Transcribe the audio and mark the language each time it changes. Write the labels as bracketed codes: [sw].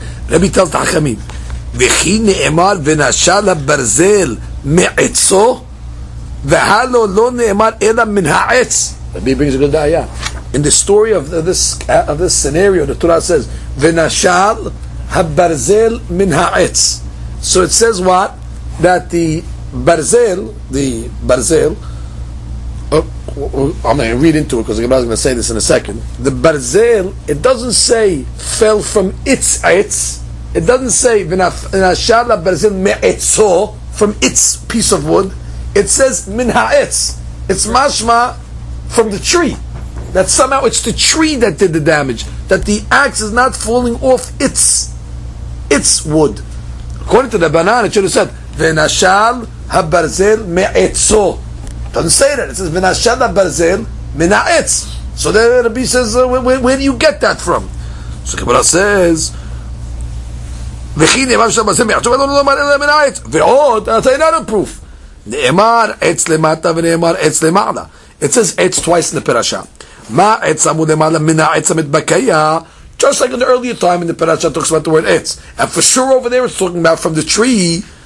[en] Rabbi tells the Hakamim, [he] וכי נאמר ונשל הברזל מעצו והלו לא נאמר אלא מן העץ. [en] Rabbi brings a good idea. In the story of this scenario, the Torah says [he] ונשל הברזל מן העץ. [en] So it says what? That the Barzel, I'm going to read into it because I'm going to say this in a second. The Barzel, it doesn't say fell from its Etz. It doesn't say [he] v'nashala barzel me'etzo, [en] from its piece of wood. It says min ha'etz. It's mashma from the tree. That somehow it's the tree that did the damage. That the axe is not falling off its wood. According to the banana, it should have said [he] v'nashal ha'barzel me'etzo. [en] It doesn't say that. It says [he] v'nashala barzel min ha'etz. [en] So then the Rabbi says, where do you get that from? So Kibra says, ועוד, I'll tell you another proof. [he] נאמר עץ למטה ונאמר עץ למעלה. [en] It says עץ twice in the parasha. [he] מה עץ אמור למעלה מן העץ המתבקיה? [en] Just like in the earlier time in the parasha talks about the word עץ. And for sure over there it's talking about from the tree.